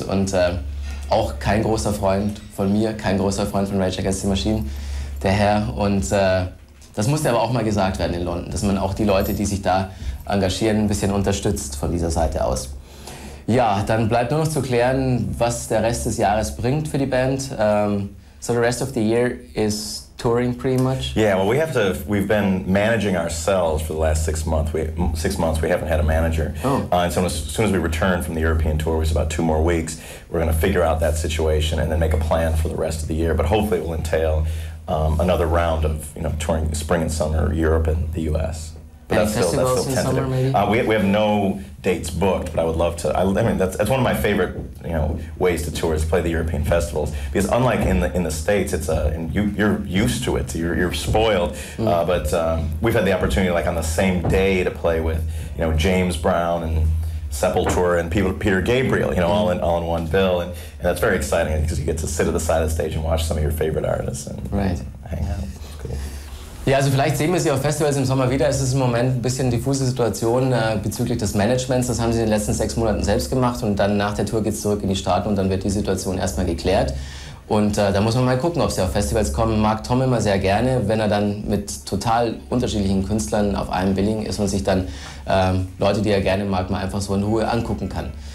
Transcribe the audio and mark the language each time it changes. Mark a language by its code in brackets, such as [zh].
[de] Und auch kein großer Freund von mir, kein großer Freund von Rage Against the Machine, der Herr. Und das musste aber auch mal gesagt werden in London, dass man auch die Leute, die sich da engagieren, ein bisschen unterstützt von dieser Seite aus. Ja, dann bleibt nur noch zu klären, was der Rest des Jahres bringt für die Band. [en] So the rest of the year is touring pretty much? Yeah, well we've been managing ourselves for the last six months, we haven't had a manager. Oh. And so as soon as we return from the European tour, which is about 2 more weeks, we're going to figure out that situation and then make a plan for the rest of the year. But hopefully it will entail another round of, you know, touring spring and summer Europe and the U.S. But that's still tentative. We have no dates booked, but I would love to. I mean, that's one of my favorite, you know, ways to tour is play the European festivals, because unlike in the States, it's you're used to it. You're spoiled. Mm. But we've had the opportunity, like on the same day, to play with, you know, James Brown and Sepultura and Peter Gabriel, you know, all in one bill, and that's very exciting because you get to sit at the side of the stage and watch some of your favorite artists and hang out. [de] Ja, also vielleicht sehen wir sie auf Festivals im Sommer wieder. Es ist im Moment ein bisschen eine diffuse Situation bezüglich des Managements. Das haben sie in den letzten 6 Monaten selbst gemacht und dann nach der Tour geht es zurück in die Staaten und dann wird die Situation erstmal geklärt. Und da muss man mal gucken, ob sie auf Festivals kommen. Mag Tom immer sehr gerne, wenn er dann mit total unterschiedlichen Künstlern auf einem Willing ist und sich dann Leute, die er gerne mag, mal einfach so in Ruhe angucken kann.